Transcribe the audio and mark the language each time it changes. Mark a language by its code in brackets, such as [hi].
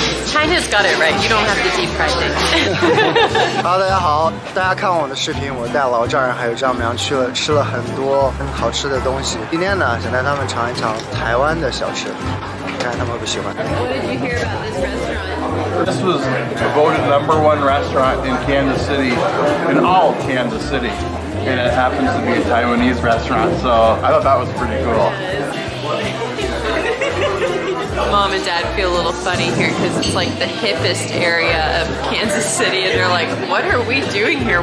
[en] China's got it right. You don't have to deep fry things. [zh] Hello, 大家好，大家看我的视频，我带老丈人还有丈母娘去了，吃了很多很好吃的东西。今天呢，想带他们尝一尝台湾的小吃，看看他们会不喜欢。 [en] What did you hear about this restaurant? This was the voted number one restaurant in Kansas City, in all Kansas City, and it happens to be a Taiwanese restaurant. So I thought that was pretty cool. Mom and Dad feel a little funny here because it's like the hippest area of Kansas City, and they're like, "What are we doing here?